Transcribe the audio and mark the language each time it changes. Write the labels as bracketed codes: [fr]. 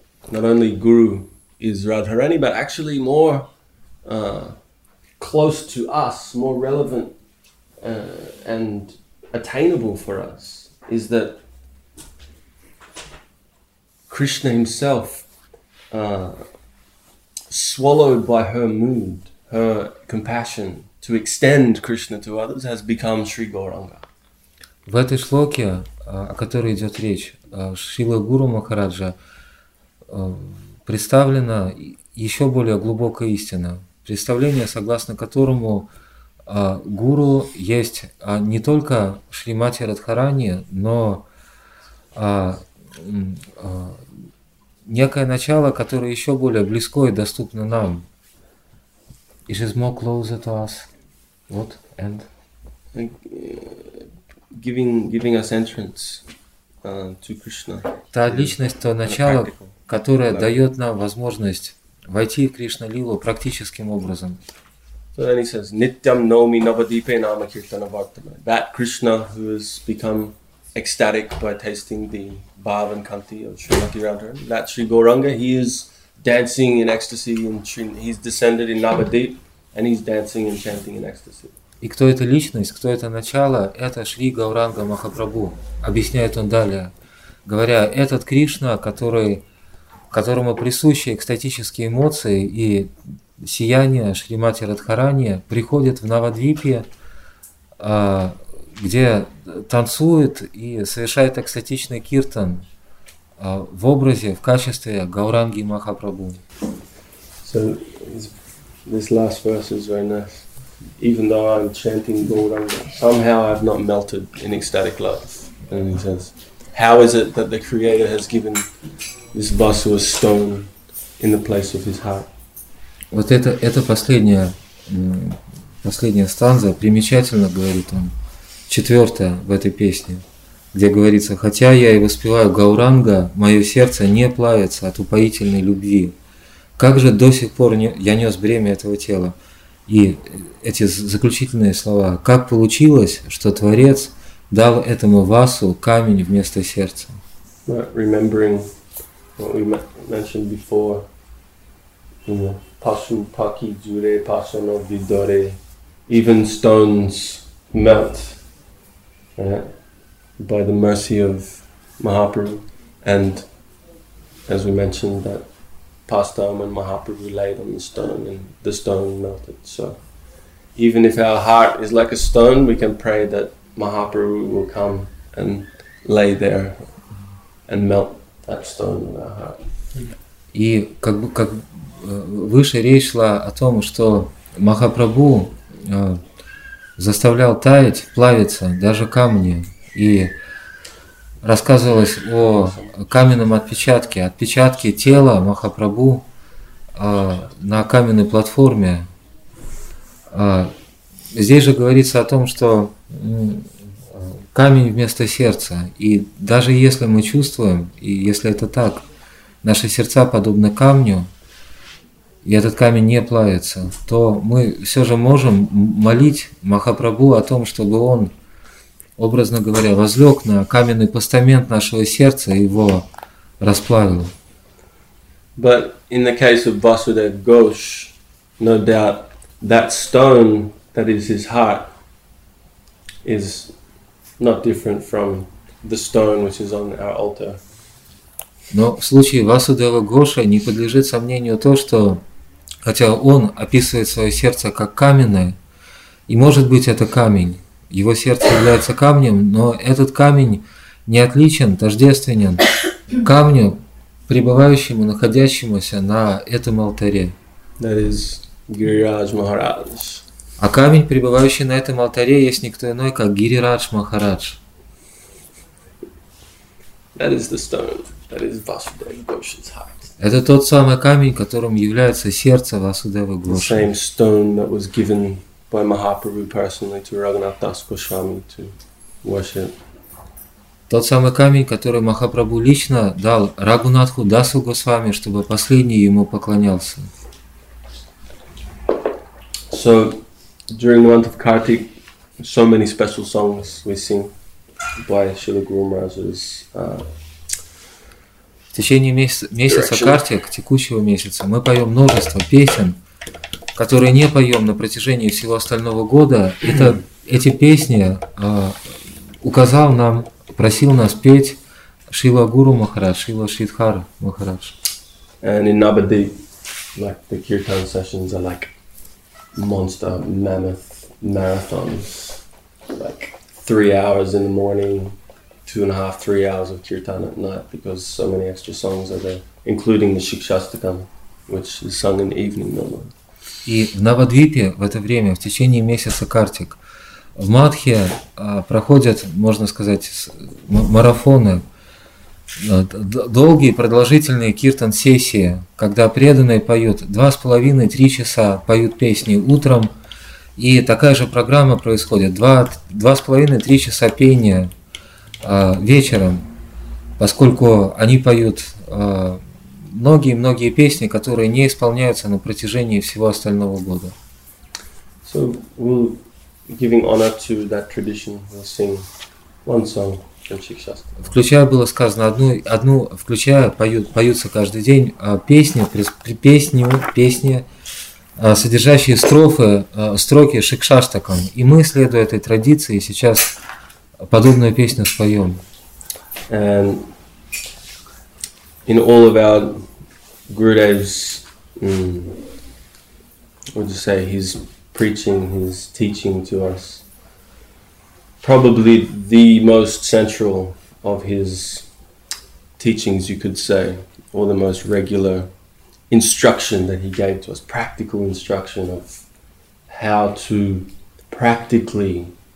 [en] Not only Guru is Radharani, but actually more close to us, more relevant and attainable for us, is that Krishna himself, swallowed by her mood, her compassion to extend Krishna to others, has become Sri Gauranga. [ru] В этой шлоке, о которой идет речь, Шрила Гуру Махараджа, представлена еще более глубокая истина, представление, согласно которому гуру есть не только Шримати Радхарани, но некое начало, которое еще более близко и доступно нам. [en] It is more closer to us. What? And? Giving us entrance to Krishna. [ru] Та личность, то начало, которое дает нам возможность войти в Кришналилу практическим образом. [en] So then he says, [sa] Nityam Naomi Navadipe Nama Kirtana Vartama. [en] That Krishna who has become ecstatic by tasting the bhav and kanti of Srimati Radharani. That Sri Gauranga, he is dancing in ecstasy, he's descended in Navadip, and he's dancing and chanting in ecstasy. [ru] И кто эта личность, кто это начало, это Шри Гауранга Махапрабху, объясняет он далее, говоря, этот Кришна, которому присущи экстатические эмоции и сияние Шримати Радхарани, приходит в Навадвипе, где танцует и совершает экстатичный киртан в образе, в качестве Гауранги Махапрабху. [en] So, this last verse is very nice. Even though I'm chanting Gauranga, somehow I've not melted in ecstatic love. And he says, how is it that the Creator has given this Vasu a stone in the place of his heart? [ru] Вот это последняя станза, примечательно, говорит он, четвертая в этой песне, где говорится, хотя я и воспеваю Гауранга, мое сердце не плавится от упоительной любви. Как же до сих пор я нес бремя этого тела? И эти заключительные слова. Как получилось, что Творец дал этому Васу камень вместо сердца? [en] Remembering what we mentioned before, [bn] Pasu Paki Jure Pasano Vidore, [en] even stones melt by the mercy of Mahaprabhu. And as we mentioned that Pastam and Mahaprabhu laid on the stone and the stone melted. So even if our heart is like a stone, we can pray that Mahaprabhu will come and lay there and melt that stone in our heart. [ru] И как выше речь шла о том, что Махапрабху заставлял таять, плавиться даже камни. И рассказывалось о каменном отпечатке, отпечатке тела Махапрабху на каменной платформе. Здесь же говорится о том, что камень вместо сердца. И даже если мы чувствуем, и если это так, наши сердца подобны камню, и этот камень не плавится, то мы все же можем молить Махапрабху о том, чтобы он, образно говоря, возлег на каменный постамент нашего сердца и его расплавил. [en] But in the case of Vasudev Ghosh, no doubt that stone that is his heart is not different from the stone which is on our altar. [ru] Но в случае Васудева Гоша не подлежит сомнению то, что хотя он описывает свое сердце как каменное, и может быть это камень. Его сердце является камнем, но этот камень не отличен, тождественен камню, пребывающему, находящемуся на этом алтаре. [en] That is Гирирадж Махарадж. [ru] А камень, пребывающий на этом алтаре, есть никто иной, как Гирирадж Махарадж. [en] That is the stone. That is Vasudeva Ghosh's heart. [ru] Это тот самый камень, которым является сердце Васудевы Гоши. [en] The same stone that was given by Mahaprabhu personally to Raghunath Das Goswami to worship. [ru] Тот самый камень, который Махапрабху лично дал Рагунатху Дасу Госвами, чтобы последний ему поклонялся. [en] So during the month of Kartik, so many special songs we sing by Srila Guru Maharaj's [ru] В течение месяца Картик, текущего месяца, мы поем множество песен, которые не поем на протяжении всего остального года. Это эти песни указал нам, просил нас петь Шрила Гуру Махарадж, Шрила Шридхар Махарадж. [en] And in Navadvip, like the kirtan sessions are like monster, mammoth marathons, like 3 hours in the morning, 2.5, 3 hours of kirtan at night, because so many extra songs are there, including the Shikshastakam, which is sung in the evening normally. [ru] И в Навадвипе в это время, в течение месяца Картик, в Мадхе проходят, можно сказать, марафоны, долгие продолжительные киртан-сессии, когда преданные поют 2,5-3 часа, поют песни утром, и такая же программа происходит, 2,5-3 часа пения вечером, поскольку они поют многие-многие песни, которые не исполняются на протяжении всего остального года. [en] So we'll, giving honor to that tradition, we'll sing one song. [ru] Включая, было сказано, одну включая, поются каждый день песни, содержащие строки Шикшаштакам. И мы, следуя этой традиции, сейчас подобную песню споем. [en] And in all of our Gurudev's, what do you say, his preaching, his teaching to us, probably the most central of his teachings, you could say, or the most regular instruction that he gave to us, practical instruction of how to practically